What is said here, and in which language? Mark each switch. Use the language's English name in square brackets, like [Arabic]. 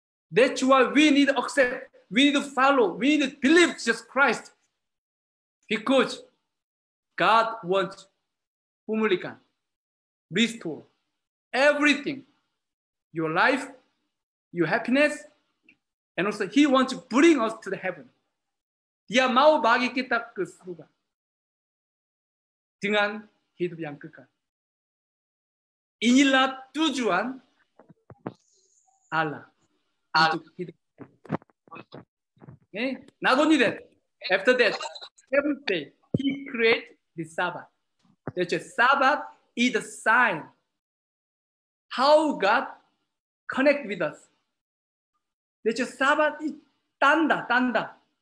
[English] That's why we need to accept, we need to follow, we need to believe Jesus Christ. Because God wants pumulikan, restore everything, your life, your happiness, and also He wants to bring us to the heaven. [Indonesian] Dia mau bagi kita ke surga dengan hidup yang kekal. Inilah tujuan Allah untuk hidup. [English] Okay? Not only that, after that, seventh day, He created the Sabbath. That's just Sabbath is a sign how God connect with us. That's just Sabbath is tanda.